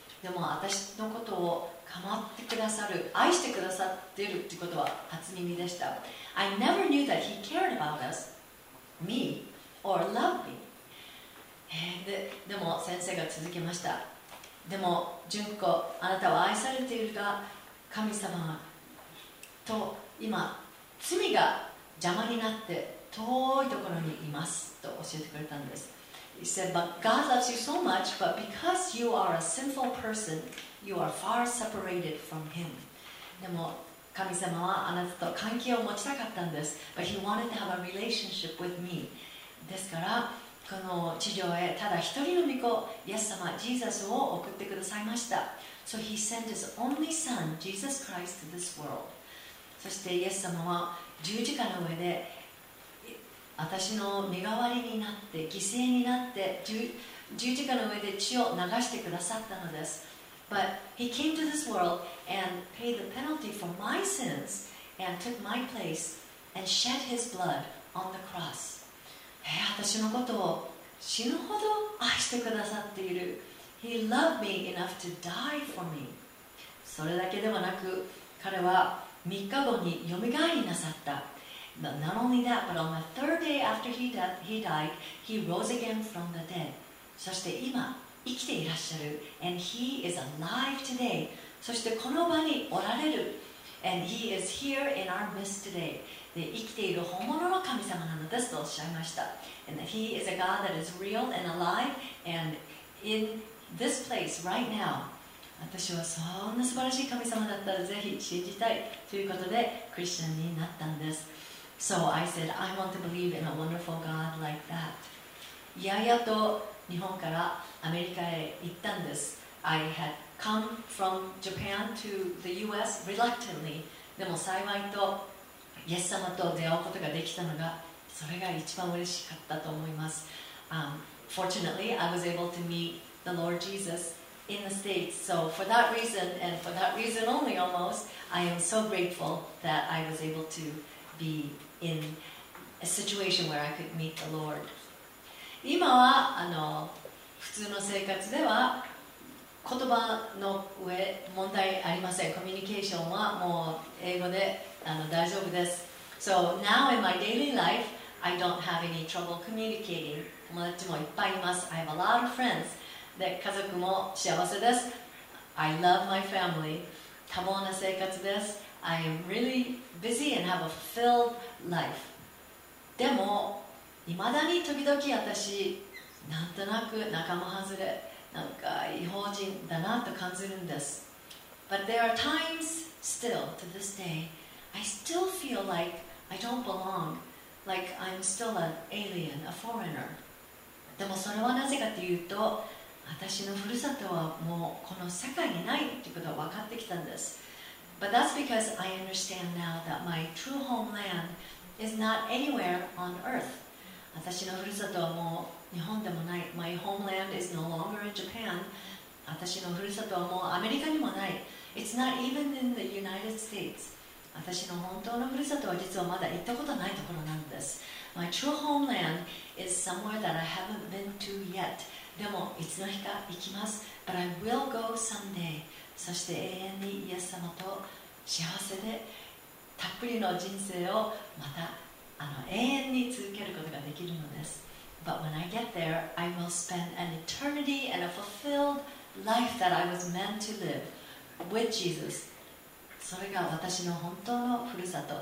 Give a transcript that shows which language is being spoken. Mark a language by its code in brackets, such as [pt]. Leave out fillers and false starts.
[ja] でも私のことを構ってくださる、愛してくださっているということは初耳でした。 [en] I never knew that he cared about us, me, or loved me. [ja] でも先生が続けました。でも、純子、あなたは愛されているが、神様と今、罪が邪魔になって遠いところにいますと教えてくれたんです。 [en] He said, but God loves you so much, but because you are a sinful person, you are far separated from Him. [ja] でも神様はあなたと関係を持ちたかったんです。 [en] But He wanted to have a relationship with me. [ja] ですから、この地上へただ一人の御子、イエス様、ジーザスを送ってくださいました。 [en] So He sent His only Son, Jesus Christ, to this world. [ja] そしてイエス様は十字架の上で私の身代わりになって犠牲になって十字架の上で血を流してくださったのです。 [en] But he came to this world and paid the penalty for my sins and took my place and shed his blood on the cross. [ja] 私のことを死ぬほど愛してくださっている。 [en] He loved me enough to die for me. [ja] それだけではなく彼は3日後によみがえりなさった。 [en] But not only that, but on the third day after he died, he rose again from the dead. [ja] そして今生きていらっしゃる。 [en] And he is alive today. [ja] そしてこの場におられる。 [en] And he is here in our midst today. [ja] で生きている本物の神様なのですとおっしゃいました。 [en] And he is a God that is real and alive and in this place right now. [ja] 私はそんな素晴らしい神様だったらぜひ信じたいということでクリスチャンになったんです。 [en] So I said, I want to believe in a wonderful God like that. [ja] いやいやと日本からアメリカへ行ったんです。 [en] I had come from Japan to the US reluctantly. [ja] でも幸いとイエス様と出会うことができたのがそれが一番嬉しかったと思います。 [en] Fortunately, I was able to meet the Lord Jesus. In the States, so for that reason and for that reason only almost, I am so grateful that I was able to be in a situation where I could meet the Lord. [ja] 今はあの普通の生活では言葉の上問題ありません。コミュニケーションはもう英語であの大丈夫です。 [en] So now in my daily life, I don't have any trouble communicating. [ja] 友達もいっぱいいます。 [en] I have a lot of friends. [ja] で家族も幸せです。 [en] I love my family. [ja] 多忙な生活です。 [en] I am really busy and have a fulfilled life. [ja] でも、未だに時々私、なんとなく仲間外れ、なんか異邦人だなと感じるんです。 [en] But there are times still to this day, I still feel like I don't belong, like I'm still an alien, a foreigner. [ja] でもそれはなぜかというと、私のふるさとはもうこの世界にないということが分かってきたんです。 [en] But that's because I understand now that my true homeland is not anywhere on earth. [ja] 私のふるさとはもう日本でもない。 [en] My homeland is no longer in Japan. [ja] 私のふるさとはもうアメリカにもない。 [en] It's not even in the United States. [ja] 私の本当のふるさとは実はまだ行ったことないところなんです。 [en] My true homeland is somewhere that I haven't been to yet. [ja] でもいつの日か行きます。 [en] But I will go someday. [ja] そして永遠にイエス様と幸せでたっぷりの人生をまた永遠に続けることができるのです。 [en] But when I get there, I will spend an eternity and a fulfilled life that I was meant to live with Jesus. [ja] それが私の本当のふるさと。